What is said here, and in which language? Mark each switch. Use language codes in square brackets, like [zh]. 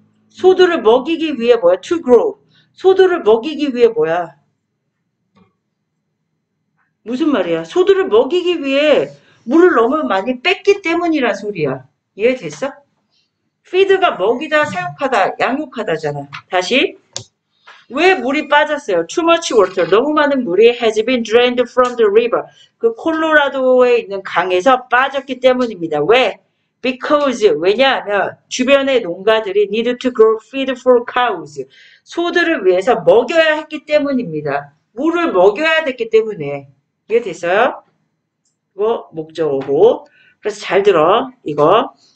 [ko] 소들을 먹이기 위해 뭐야? [en] to grow [ko] 소들을 먹이기 위해 뭐야? 무슨 말이야? 소들을 먹이기 위해 물을 너무 많이 뺐기 때문이란 소리야. 이해됐어? 피드가 먹이다, 사육하다, 양육하다잖아. 다시. 왜 물이 빠졌어요? [en] Too much water. [ko] 너무 많은 물이 [en] has been drained from the river. [ko] 그 콜로라도에 있는 강에서 빠졌기 때문입니다. 왜? [en] Because, [ko] 왜냐하면 주변의 농가들이 [en] need to grow feed for cows. [ko] 소들을 위해서 먹여야 했기 때문입니다. 물을 먹여야 됐기 때문에. 이해됐어요? 이거 목적어고. 그래서 잘 들어. 이거.